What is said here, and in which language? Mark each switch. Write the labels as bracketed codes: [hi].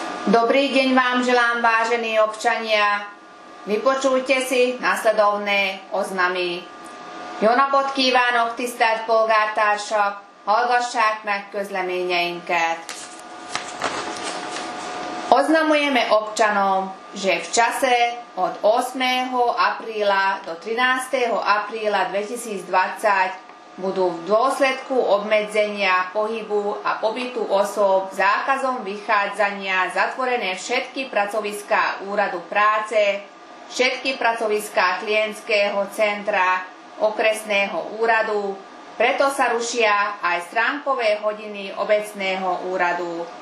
[sk] Dobrý deň vám želám, vážení občania. Vypočujte si nasledovné oznamy. [hu] Jóna kívánok, tisztelt polgártársak, hallgassák meg közleményeinket. [sk] Oznamujeme občanom, že v čase od 8. apríla do 13. apríla 2020 budú v dôsledku obmedzenia pohybu a pobytu osôb zákazom vychádzania zatvorené všetky pracoviská úradu práce, všetky pracoviská klientského centra, okresného úradu, preto sa rušia aj stránkové hodiny obecného úradu.